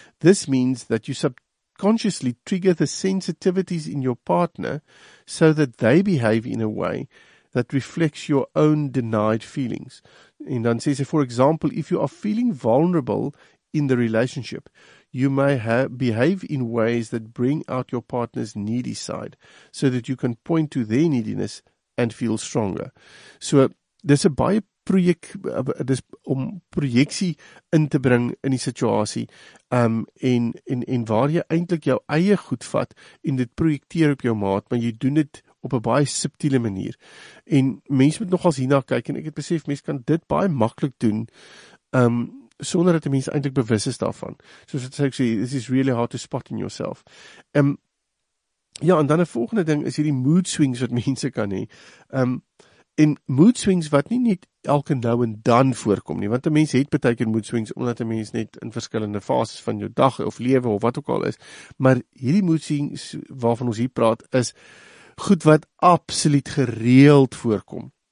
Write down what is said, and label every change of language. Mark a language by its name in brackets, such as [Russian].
[English] This means that you subconsciously trigger the sensitivities in your partner so that they behave in a way that reflects your own denied feelings. [Afrikaans] En dan sê sy, [English] for example, if you are feeling vulnerable in the relationship, you may behave in ways that bring out your partner's needy side so that you can point to their neediness and feel stronger. So, there's a [Afrikaans] baie dis om projeksie in te bring in die situasie en waar jy eintlik jou eie goed vat en dit projekteer op jou maat, maar jy doen dit op 'n baie subtiele manier. En mens moet nogals hierna kyk en ek het besef, mens kan dit baie maklik doen sonder dat die mens eintlik bewus is daarvan. Soos wat ek sê, [English] this is really hard to spot in yourself. [Afrikaans] Ja, en dan 'n volgende ding is hierdie mood swings wat mense kan hê. En mood swings wat nie net elke nou en dan voorkom nie, want 'n mens het baie keer mood swings omdat 'n mens net in verskillende fases van jou dag of lewe of wat ook al is, maar hierdie mood swings waarvan ons hier praat is goed wat absoluut gereeld voorkom.